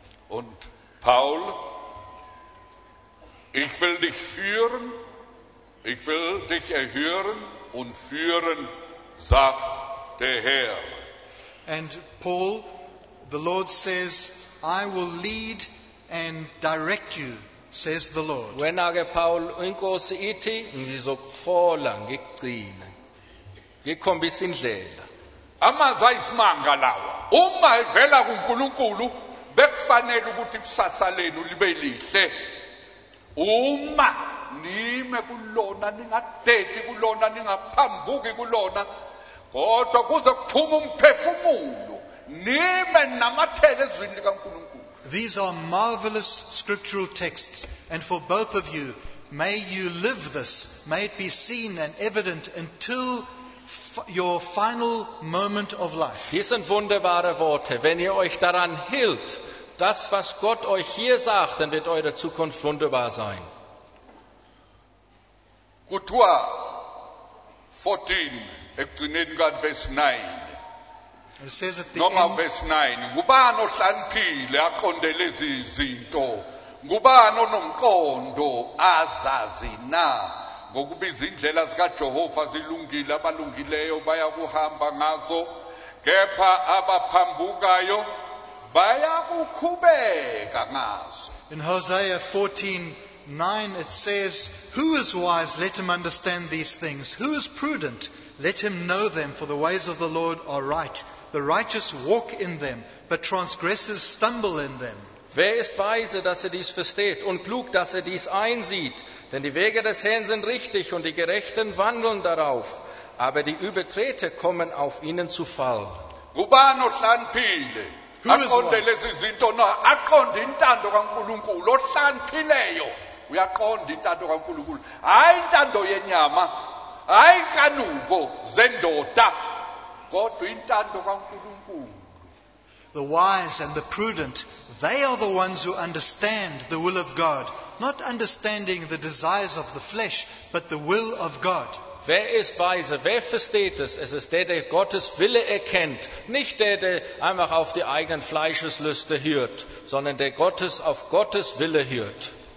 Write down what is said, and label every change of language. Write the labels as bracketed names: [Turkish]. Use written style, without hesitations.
[German] Und Paul, ich will dich führen, ich will dich erhören und führen, sagt der Herr. [English] And Paul, the Lord says, I will lead and direct you, says the Lord. [Zulu] Wenake Paul inkosi ithi ngizokuhola ngikugcina. Ngikhombisa indlela. Amazwi ayisimanga lawa. Uma evela kuNkulunkulu, bekufanele ukuthi kusasa lenu libe lihle. Uma nime kulona, ningadethi kulona, ningaphambuki kulona, kodwa kuze kuphume umphefumulo, nime namathele ezwini likaNkulunkulu. [English] These are marvelous scriptural texts, and for both of you, may you live this, may it be seen and evident until your final moment of life. [German] Dies sind wunderbare Worte. Wenn ihr euch daran hielt, das, was Gott euch hier sagt, dann wird eure Zukunft wunderbar sein. [Zulu] Kutua 14, ekugcineni kwa Vers 9. [English] It says at the end. [Zulu] Noma Vers 9. Ngubani ohlaniphile aqonde lezi zinto? Ngubani onomqondo azazi na? Ngokubiza indlela zikaJehova zilungile, abalungileyo bayakuhamba ngazo, kepha abaphambukayo bayakukhubeka ngazo. [English] In Hosea 14:9 it says, who is wise? Let him understand these things. Who is prudent? Let him know them, for the ways of the Lord are right. The righteous walk in them, but transgressors stumble in them. [German] Wer ist weise, dass er dies versteht und klug, dass er dies einsieht? Denn die Wege des Herrn sind richtig und die Gerechten wandeln darauf, aber die Übertreter kommen auf ihnen zu Fall. [Zulu] Gubano hlaniphile, aqonde lezi zinto, aqonde intando kaNkulunkulu, ohlaniphileyo, uyaqonda intando kaNkulunkulu, hayi intando yenyama, hayi inkanuko zendoda, kodwa intando kaNkulunkulu. [English] The wise and the prudent, they are the ones who understand the will of God, not understanding the desires of the flesh, but the will of God. [German] Wer ist weise? Wer versteht es? Es ist der, der Gottes Wille erkennt, nicht der, der einfach auf die eigenen Fleischeslüste hört, sondern der Gottes auf Gottes Wille hört.